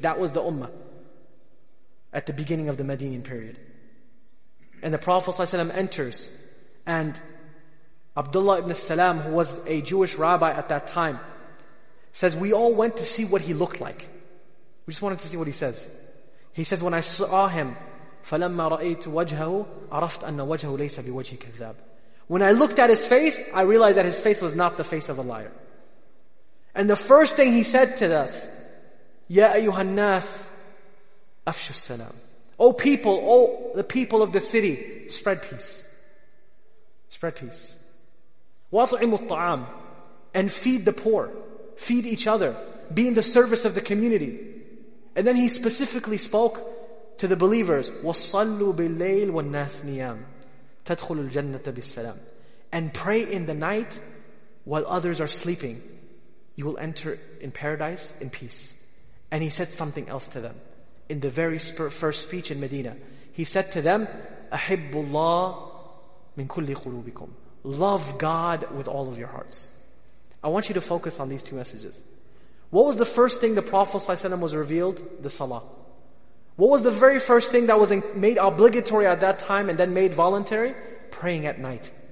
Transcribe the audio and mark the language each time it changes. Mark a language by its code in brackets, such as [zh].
[en] That was the Ummah at the beginning of the Medinian period. And the Prophet ﷺ enters, and Abdullah ibn Salam, who was a Jewish rabbi at that time, says, we all went to see what he looked like. We just wanted to see what he says. He says, when I saw him, [ar] فَلَمَّا رَأَيْتُ وَجْهَهُ عَرَفْتَ أَنَّ وَجْهَهُ لَيْسَ بِوَجْهِ كَذَّابِ. [en] When I looked at his face, I realized that his face was not the face of a liar. And the first thing he said to us, [ar] يَا أَيُّهَا النَّاسِ أَفْشُ السَّلَامِ. [en] O people, O the people of the city, spread peace. Spread peace. [ar] وَأَطْعِمُ الطَّعَامِ. [en] And feed the poor. Feed each other. Be in the service of the community. And then he specifically spoke to the believers, [ar] وَصَلُّوا بِاللَّيْلِ وَالنَّاسِ نِيَامِ. تَدْخُلُ الْجَنَّةَ بِالسَّلَامِ. [en] And pray in the night while others are sleeping. You will enter in paradise in peace. And he said something else to them in the very first speech in Medina. He said to them, [ar] أَحِبُّ اللَّهُ مِنْ كُلِّ قُلُوبِكُمْ. [en] Love God with all of your hearts. I want you to focus on these two messages. What was the first thing the Prophet ﷺ was revealed? The Salah. What was the very first thing that was made obligatory at that time and then made voluntary? Praying at night.